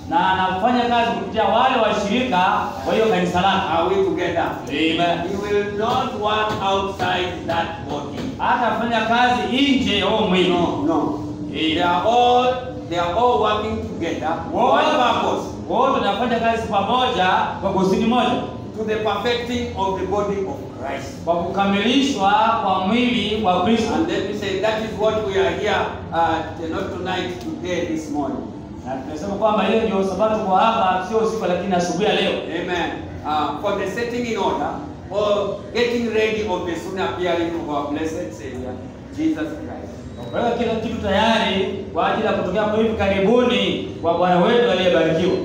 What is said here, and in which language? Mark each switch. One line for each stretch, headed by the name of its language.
Swahili: Na anafanya kazi kupitia wale washirika wa hiyo kanisa lake.
English: Are we together? Amen. He will not work outside that body.
Swahili: Atafanya kazi nje ya mwili.
English: No, no. They are all working together. What purpose?
Swahili: Wote wanafanya kazi pamoja kwa kusudi moja.
English: To the perfecting of the body of Christ.
Swahili: Kwa kukamilishwa kwa mwili wa Kristo.
English: And let me say that is what we are here not tonight, today, this morning.
Swahili: Na tunasema kwamba hiyo ndio sababu kwa hapa sio usiku lakini asubuhi ya leo. Amen.
English: For the setting in order or getting ready of the soon appearing of our blessed Savior Jesus Christ.
Swahili: Kwa kila kitu tayari kwa ajili ya kutokea kwa hivi karibuni kwa Bwana wetu aliyebarikiwa.